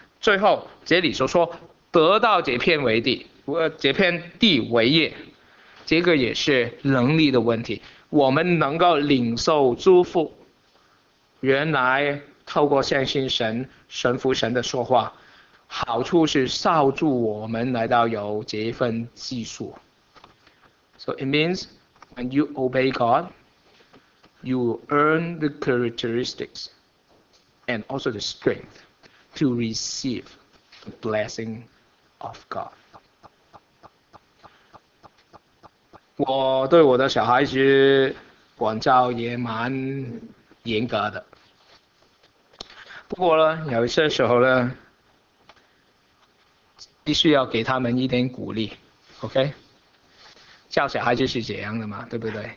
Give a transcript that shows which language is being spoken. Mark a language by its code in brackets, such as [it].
[zh] 最后，这里所说得到这片为地，这片地为业，这个也是能力的问题。我们能够领受祝福，原来透过相信神、顺服神的说话。好处是罩住我们来到有这一份技术。 [en] So it means when you obey God, you earn the characteristics and also the strength to receive the blessing of God. [zh] 我对我的小孩子管教也蛮严格的。不过呢，有些时候呢。必须要给他们一点鼓励，OK？ 教小孩就是这样的嘛，对不对？